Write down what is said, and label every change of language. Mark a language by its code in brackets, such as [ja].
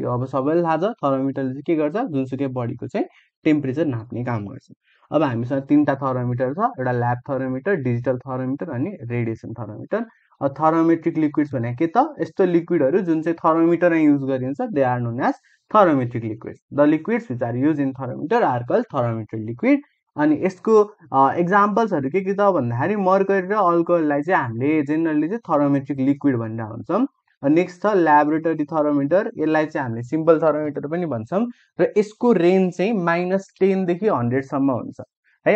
[ne] यो अब सबैले थाहा छ, थर्मोमिटरले चाहिँ के गर्छ, जुनसुकै बडीको चाहिँ टेम्परेचर नाप्ने काम गर्छ. अब हामीसँग तिनवटा थर्मोमिटर छ, एउटा ल्याब थर्मोमिटर, डिजिटल थर्मोमिटर अनि रेडिएसन थर्मोमिटर. अब थर्मोमेट्रिक लिक्विड्स भनेको के त, यस्तो लिक्विडहरू जुन चाहिँ थर्मोमिटरमा युज गरिन्छ, [en] They are known as thermometric liquids. The liquids which are use in thermometer are called thermometric liquid. [ne] अनि यसको एक्जाम्पल्सहरू के त भन्दाखेरि, मर्करी र अल्कोहललाई चाहिँ हामीले जेनरली चाहिँ थर्मोमेट्रिक लिक्विड भनेर भन्छौँ. नेक्स्ट छ ल्याबोरेटरी थर्मोमिटर, यसलाई चाहिँ हामीले सिम्पल थर्मोमिटर पनि भन्छौँ. र यसको रेन्ज चाहिँ -10 देखि 100 सम्म हुन्छ है.